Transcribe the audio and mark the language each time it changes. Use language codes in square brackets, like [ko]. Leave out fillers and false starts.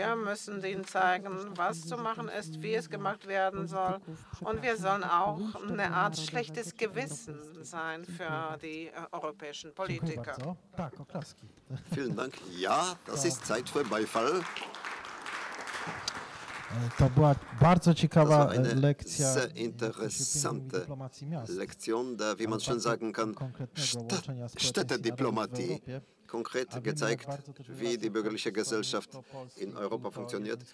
[de] Wir müssen denen zeigen, was zu machen ist, wie es gemacht werden soll. Und wir sollen auch eine Art schlechtes Gewissen sein für die europäischen Politiker. Vielen Dank. Ja, das ist Zeit für Beifall. [pl] To była bardzo ciekawa lekcja, [de] sehr interessante Lektion, da wie man schon sagen kann, Städtediplomatie, konkret gezeigt, wie die bürgerliche Gesellschaft in Europa funktioniert.